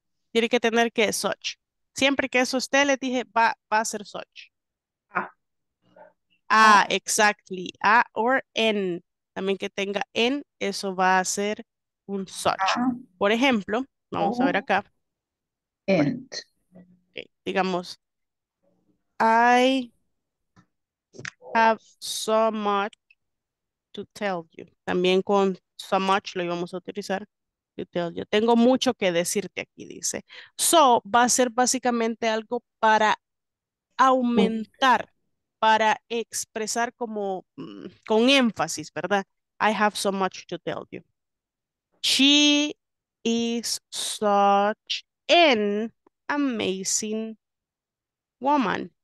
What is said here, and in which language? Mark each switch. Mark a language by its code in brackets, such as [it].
[es] Tiene que tener que such. Siempre que eso esté, le dije, va a ser such. [en] Ah, exactly. [es] Ah, or en. También que tenga en, eso va a ser un such. Por ejemplo, vamos a ver acá. [en] And. Okay. Digamos, I have so much to tell you. [es] También con so much lo íbamos a utilizar. Yo tengo mucho que decirte aquí, dice. So va a ser básicamente algo para aumentar, para expresar como con énfasis, ¿verdad? [en] I have so much to tell you. She is such an amazing woman.